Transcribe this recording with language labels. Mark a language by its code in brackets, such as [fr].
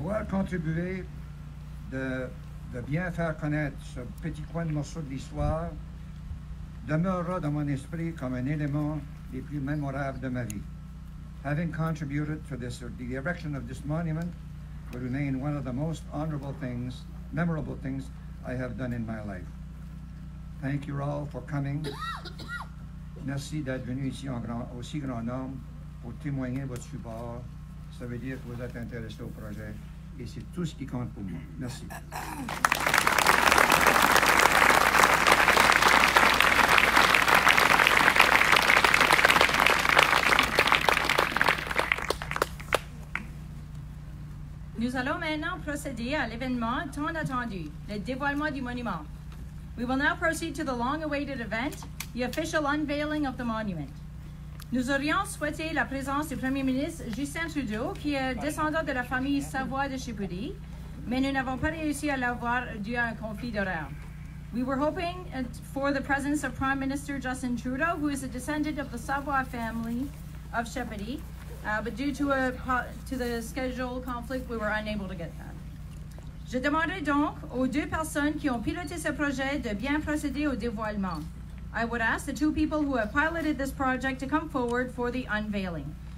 [fr] Contribuer de bien faire connaître ce petit coin de morceau de l'histoire demeurera dans mon esprit comme un élément des plus mémorables de ma vie. [en] Having contributed to this, the erection of this monument will remain one of the most honorable things, memorable things I have done in my life. Thank you all for coming. [fr] Merci d'être venu ici en grand, aussi grand nombre pour témoigner votre support. Ça veut dire que vous êtes intéressé au projet. Et c'est tout ce qui compte pour moi. Merci. Nous allons maintenant procéder à l'événement tant attendu, le dévoilement du monument. [en] We will now proceed to the long-awaited event, the official unveiling of the monument. [fr] Nous aurions souhaité la présence du Premier ministre Justin Trudeau, qui est descendant de la famille Savoie de Chipoudie, mais nous n'avons pas réussi à l'avoir dû à un conflit d'horaire. [en] We were hoping for the presence of Prime Minister Justin Trudeau, who is a descendant of the Savoie family of Chipoudie, but due to the schedule conflict, we were unable to get that. [fr] Je demanderai donc aux deux personnes qui ont piloté ce projet de bien procéder au dévoilement. [en] I would ask the two people who have piloted this project to come forward for the unveiling.